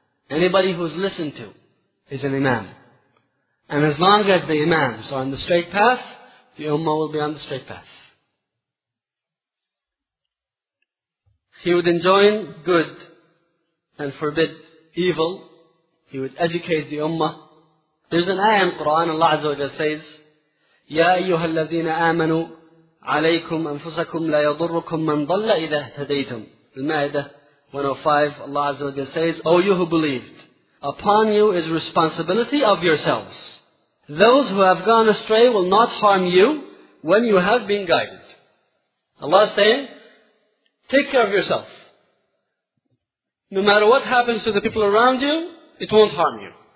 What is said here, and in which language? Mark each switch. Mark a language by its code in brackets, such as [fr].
[en] Anybody who's listened to is an imam. And as long as the imams are on the straight path, the ummah will be on the straight path. He would enjoin good and forbid evil. He would educate the ummah. There's an ayah in Quran, [ar] Allah Azza wa Jalla says, يَا أَيُّهَا الَّذِينَ آمَنُوا عَلَيْكُمْ أَنفُسَكُمْ لَيَضُرُّكُمْ مَنْ ضَلَّ إِذَا اهْتَدَيْتُمْ. [en] Al-Ma'idah 105, Allah Azza wa Jalla says, O you who believed, upon you is responsibility of yourselves. Those who have gone astray will not harm you when you have been guided. Allah is saying, take care of yourself. No matter what happens to the people around you, it won't harm you.